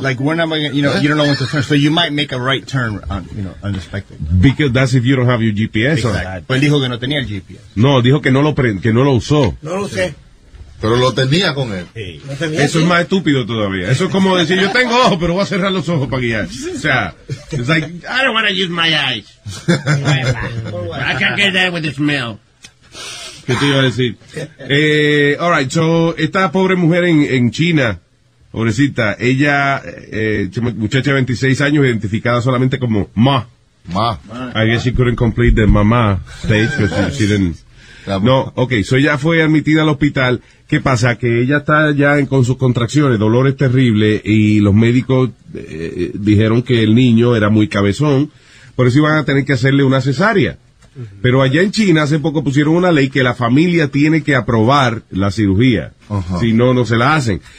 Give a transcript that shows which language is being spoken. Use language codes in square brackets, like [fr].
[en] Like, we're not, you know, you don't know when to turn. So you might make a right turn, on, you know, unexpected. Because that's if you don't have your GPS. Exactly. [es] Pues él dijo que no tenía el GPS. No, dijo que no lo usó. No lo sé. Pero lo tenía con él. Sí. Eso es más estúpido todavía. Eso es como decir, yo tengo ojos, pero voy a cerrar los ojos para guiar. O sea, [en] it's like, I don't want to use my eyes. I can't get that with the smell. [es] ¿Qué te iba a decir? [en] All right, so, [es] esta pobre mujer en China, pobrecita, ella, muchacha de 26 años, identificada solamente como Ma. Ma. [en] I guess she couldn't complete the mamá stage, because she didn't... [es] No, [en] okay, so [es] ya fue admitida al hospital. ¿Qué pasa? Que ella está ya con sus contracciones, dolores terribles, y los médicos dijeron que el niño era muy cabezón, por eso iban a tener que hacerle una cesárea. Pero allá en China hace poco pusieron una ley que la familia tiene que aprobar la cirugía, si no, no se la hacen.